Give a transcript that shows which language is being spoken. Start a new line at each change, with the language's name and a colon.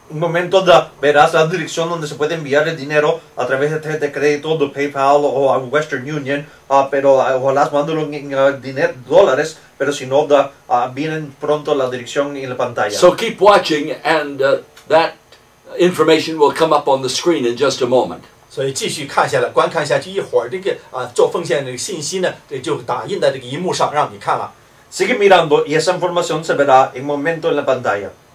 Spanish: Un momento de verás la dirección donde se puede enviar el dinero a través de tarjeta de crédito, de PayPal o a Western Union, pero ojalá mándalo en dólares, pero si no, vienen pronto la dirección en la pantalla.
English: So keep watching, and that information will come up on the screen in just a moment.
Chinese: 所以继续看下来，观看下去，一会儿这个做奉献的信息呢，这就打印在这个荧幕上让你看了。
Spanish: Sigue mirando y esa información se verá en momento en la pantalla.